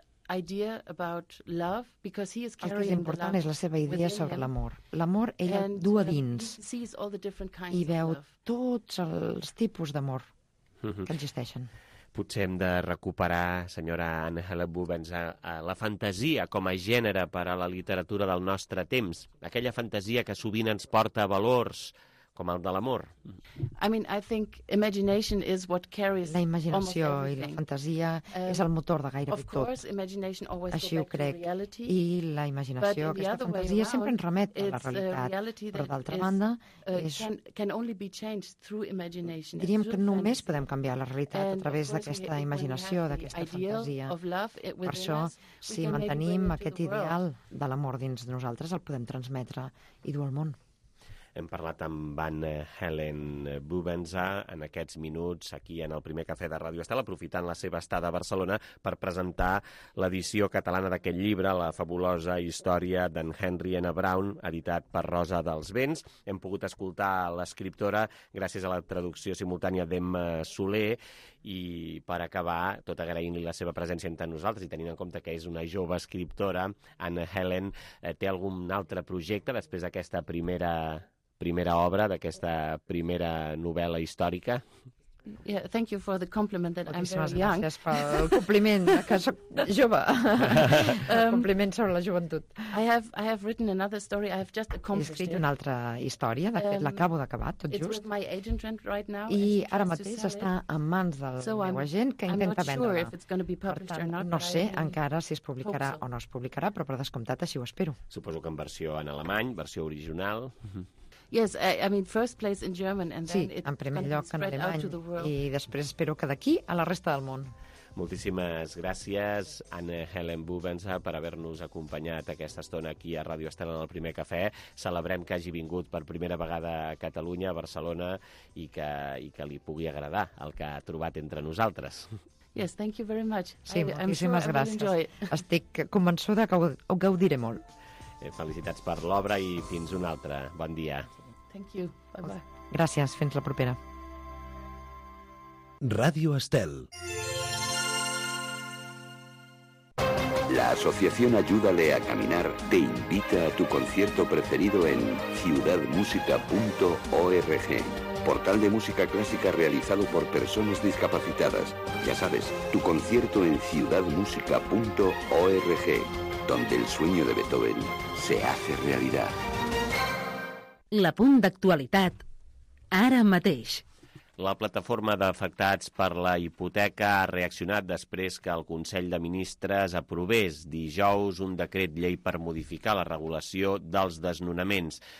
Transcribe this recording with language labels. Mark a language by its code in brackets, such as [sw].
[en] idea about love, because he is carrying [ca] el que és important és la seva idea sobre l'amor. L'amor ella du a dins i veu tots els tipus d'amor que existeixen. Potser hem de recuperar, senyora Anne Hellebuyck, la fantasia com a gènere per a la literatura del nostre temps, aquella fantasia que sovint ens porta a valors com el de l'amor. [en] I mean, I think imagination is what carries [ca] la imaginació i la fantasia és el motor de gairebé [en] of course, [ca] tot. [en] Imagination always [ca] així ho crec. I la imaginació, aquesta fantasia, [en] around, [ca] sempre ens remet a la realitat. Però, d'altra banda, diríem que només podem canviar la realitat a través d'aquesta imaginació, d'aquesta fantasia. Per això, si mantenim aquest ideal de l'amor dins de nosaltres, el podem transmetre i dur al món. Hem parlat amb Anne Hellebuyck en aquests minuts aquí en el primer cafè de Ràdio Estel, aprofitant la seva estada a Barcelona per presentar l'edició catalana d'aquest llibre, La fabulosa història d'en Henry N. Brown, editat per Rosa dels Vents. Hem pogut escoltar l'escriptora gràcies a la traducció simultània d'Emma Soler i, per acabar, tot agraint-li la seva presència entre nosaltres i tenint en compte que és una jove escriptora, Anne Hellebuyck, té algun altre projecte després d'aquesta primera primera obra, d'aquesta primera novel·la històrica. [en] Yeah, thank you for the compliment that I'm very young. [ca] Gràcies pel compliment que sóc jove. Compliment sobre la joventut. [en] I have written another story. I have just accomplished. [ca] He escrit una altra història, de fet l'acabo d'acabar tot just. [en] It's with my agent right now. [ca] I ara mateix està en mans del meu agent que intenta vendre-la. No sé encara si es publicarà o no es publicarà, però per descomptat així ho espero. Suposo que en versió en alemany, versió original. [en] Yes, I mean first place in German and [ca] sí, [en] then it [ca] en primer lloc en alemany i després espero que d'aquí a la resta del món. Moltíssimes gràcies, Anne Helen Bubens, per haver-nos acompanyat aquesta estona aquí a Ràdio Estela en el primer cafè. Celebrem que hagi vingut per primera vegada a Catalunya, a Barcelona, i que li pugui agradar el que ha trobat entre nosaltres. [en] Yes, thank you very much. [ca] Sí, moltíssimes sure gràcies. Estic convençuda que ho gaudiré molt. Felicitats per l'obra i fins una altra. Bon dia. [en] Thank you. Bye-bye. [ca] Gràcies. Fins la propera. Ràdio Estel. [es] La asociación Ayúdale a Caminar te invita a tu concierto preferido en ciudadmusica.org. Portal de música clásica realizado por personas discapacitadas. Ya sabes, tu concierto en ciudadmusica.org. Donde el sueño de Beethoven se hace realidad. [ca] L'apunt d'actualitat, ara mateix. La plataforma d'afectats per la hipoteca ha reaccionat després que el Consell de Ministres aprovés dijous un decret llei per modificar la regulació dels desnonaments.